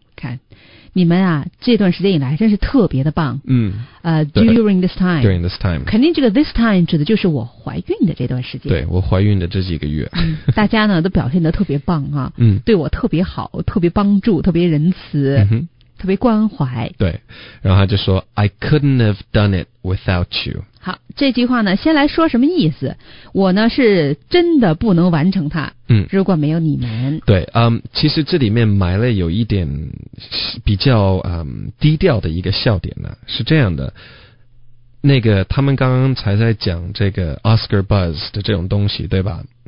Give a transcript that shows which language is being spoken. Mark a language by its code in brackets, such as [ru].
[zh] 看你们啊这段时间以来真是特别的棒。 [en] During this time. During this time. [zh] 肯定这个 this time 指的就是我怀孕的这段时间。对，我怀孕的这几个月。大家呢都表现得特别棒啊。对我特别好，特别帮助，特别仁慈、特别关怀。对。然后他就说 [en] I couldn't have done it without you. [zh] 好，这句话呢先来说什么意思。我呢是真的不能完成它。如果没有你们。对，其实这里面埋了有一点比较低调的一个笑点呢、是这样的。那个他们刚刚才在讲这个 Oscar Buzz 的这种东西，对吧？